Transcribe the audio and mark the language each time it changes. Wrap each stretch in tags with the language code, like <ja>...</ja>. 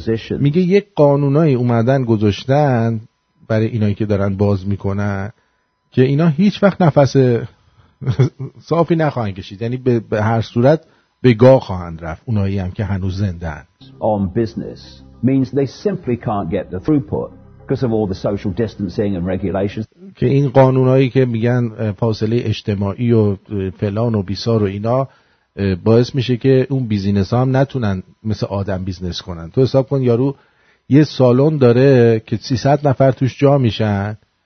<fa>میگه یک قانونای اومدن گذاشتن برای اینایی که دارن باز میکنن که اینا هیچ وقت نفس صافی نخواهند کشید، یعنی به هر صورت به گاه خواهند رفت اونایی هم که هنوز زندن.</fa> <en>On business means they simply can't get the throughput because of all the social distancing and regulations.</en> <fa>که این قانونایی که میگن فاصله اجتماعی و فلان و بیسار و اینا باعث میشه که اون بیزینس ها هم نتونن مثل آدم بیزینس کنن. تو حساب کن یارو یه سالن داره که 300 نفر توش جا میشن،</fa>